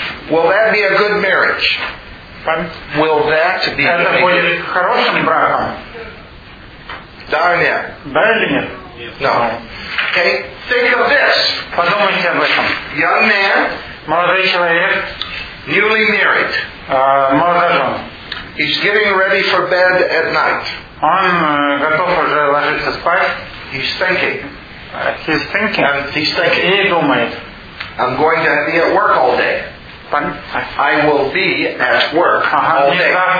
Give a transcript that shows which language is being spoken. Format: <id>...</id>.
<en>Will that be a good marriage? Will that be a good</en> <ru>хорошим браком? Да или нет? Да или нет?</ru> <en>No. Okay. Think of this.</en> <ru>Подумайте об этом.</ru> <en>Young man.</en> <ru>Молодой человек.</ru> <en>Newly married.</en> <ru>Молодожен.</ru> <en>He's getting ready for bed at night.</en> <ru>Он готов уже ложиться спать.</ru> <en>He's thinking. He's thinking. And he's thinking.</en> <ru>И думает.</ru> <en>I'm going to be at work all day. I will be at work all day.</en>